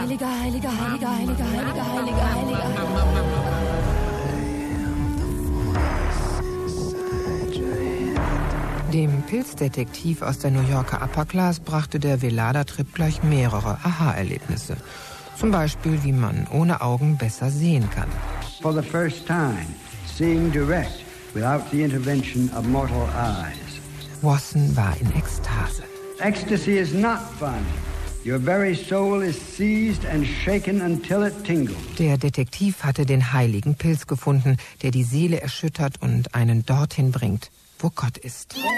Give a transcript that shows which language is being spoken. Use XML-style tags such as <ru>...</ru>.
<de>Heiliger, Heiliger, Heiliger, Heiliger, Heiliger, Heiliger, Heiliger. Dem Pilzdetektiv aus der New Yorker Upper Class brachte der Velada-Trip gleich mehrere Aha-Erlebnisse. Zum Beispiel, wie man ohne Augen besser sehen kann.</de> <en>For the first time, seeing direct without the intervention of mortal eyes.</en> <de>Wasson war in Ekstase.</de> <en>Ecstasy is not fun. Your very soul is seized and shaken until it tingles.</en> <de>Der Detektiv hatte den heiligen Pilz gefunden, der die Seele erschüttert und einen dorthin bringt, wo Gott ist.</de>